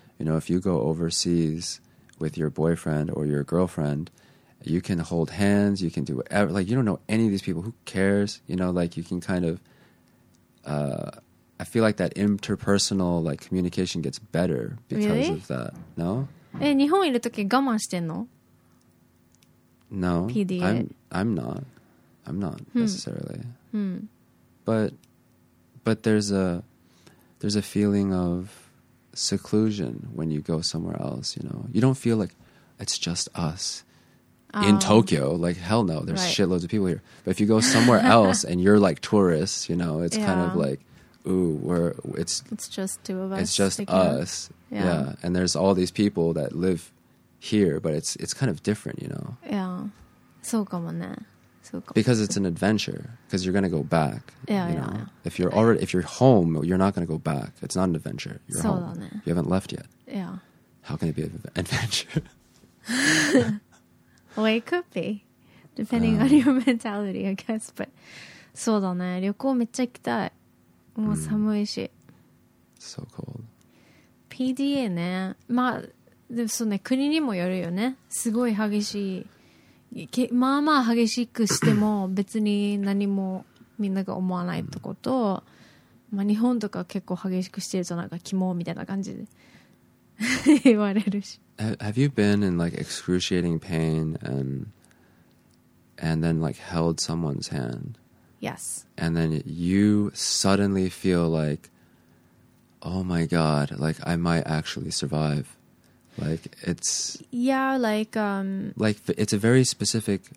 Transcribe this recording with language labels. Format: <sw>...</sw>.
<en>You know, if you go overseas with your boyfriend or your girlfriend, you can hold hands, you can do whatever, like you don't know any of these people, who cares, you know, like you can kind of I feel like that interpersonal like communication gets better because of that. No?</en> <ja>え、日本いる時我慢してんの？</ja> <en>No. PDA. I'm not necessarily. But there's a feeling of seclusion when you go somewhere else, you know. You don't feel like it's just us in Tokyo. Like, hell no, there's shitloads of people here. But if you go somewhere else and you're like tourists, you know, it's kind of like, ooh, it's just two of us. It's just us. Yeah. And there's all these people that live here, but it's kind of different, you know. Yeah. So common there. Because it's an adventure, because you're going to go back. Yeah. If you're already, if you're home, you're not going to go back. It's not an adventure. You're home. You haven't left yet. Yeah. How can it be an adventure? Well, it could be, depending on your mentality, I guess. But,</en> <ja>そうだね。旅行めっちゃ行きたい。もう寒いし。</ja> <en>So cold.</en> <ja>PDA ね。まあ、でもそうね、国にもよるよね。すごい激しい。まあまあ激しくしても別に何もみんなが思わないとこと、まあ、日本とか結構激しくしてるとなんかキモみたいな感じで言われるし。</ja> <en>Have you been in like excruciating pain and then like held someone's hand? Yes. And then you suddenly feel like, oh my god, like I might actually survive. Like it's like it's a very specific.</en>